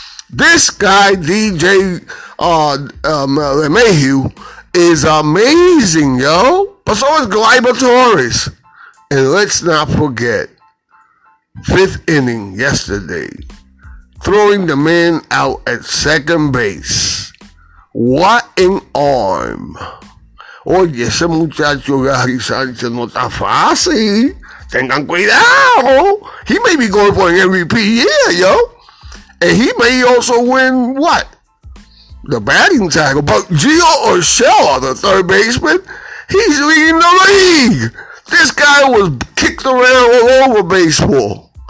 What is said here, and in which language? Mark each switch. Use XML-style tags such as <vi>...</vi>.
<en>This guy, DJ LeMahieu, is amazing, yo. But so is Gleyber Torres. And let's not forget, fifth inning yesterday, throwing the man out at second base. What an arm.</en> <es>Oye, ese muchacho Gary Sánchez no está fácil. Tengan cuidado.</es> <en>He may be going for an MVP year, yo. And he may also win what? The batting title. But Gio Urshela, the third baseman, he's leading the league. This guy was kicked around all over baseball.</en>